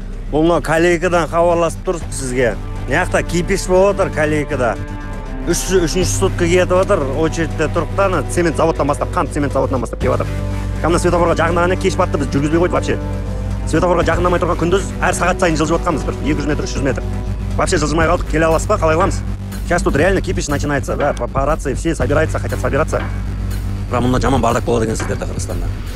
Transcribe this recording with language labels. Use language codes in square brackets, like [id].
[kk] Бұл мынау Калейкадан хабарласып тұр сізге. Мынақта кипиш болып отыр Калейкада. Үшінші сутка кетіп отыр, очередьте тұрып та, цемент заводтан бастап, қан цемент заводынан бастап кеп жатыр. Кәне светофорға жақындағанда кеш батты, біз жүргізбей қойдық вообще. Светофорға жақындамай тұрған күндіз әр сағат сайын жылжып отқанбыз, бір 200 метр, 300 метр. Вообще жылжымай қалдық, келе аласыз ба, қалай аламыз? [ru] Сейчас тут реально кипиш начинается, да, папарацци все собираются, хотят собираться. [kk] Прямо мына жаман бардак болады екен сіздерде Қырғызстанда.